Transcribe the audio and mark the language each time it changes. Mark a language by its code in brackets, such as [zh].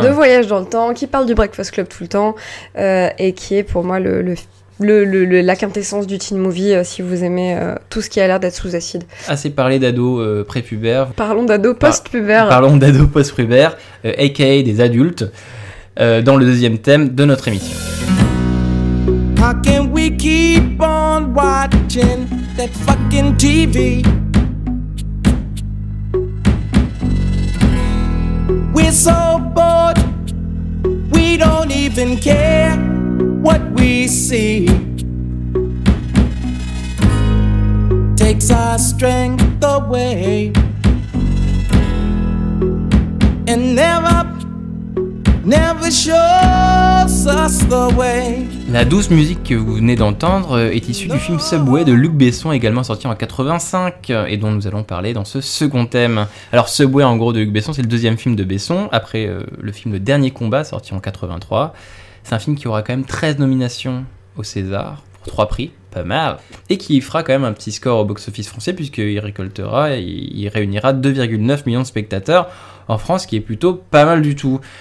[fr] Film de voyage dans le temps, qui parle du Breakfast Club tout le temps, et qui est pour moi la quintessence du teen movie, si vous aimez tout ce qui a l'air d'être sous acide. Assez parlé d'ados prépubères. Parlons d'ados postpubères. Parlons d'ados postpubères, aka des adultes, dans le deuxième thème de notre émission. [en] How can we keep on watching that fucking TV? We're so bored, we don't even care what we see. Takes our strength away and never shows us the way. [fr] La douce musique que vous venez d'entendre est issue du film Subway de Luc Besson, également sorti en 85, et dont nous allons parler dans ce second thème. Alors Subway, en gros, de Luc Besson, c'est le deuxième film de Besson, après le film Le Dernier Combat, sorti en 83. C'est un film qui aura quand même 13 nominations au César, pour 3 prix, pas mal, et qui fera quand même un petit score au box-office français, puisqu'il récoltera, il réunira 2,9 millions de spectateurs en France, qui est plutôt pas mal du tout.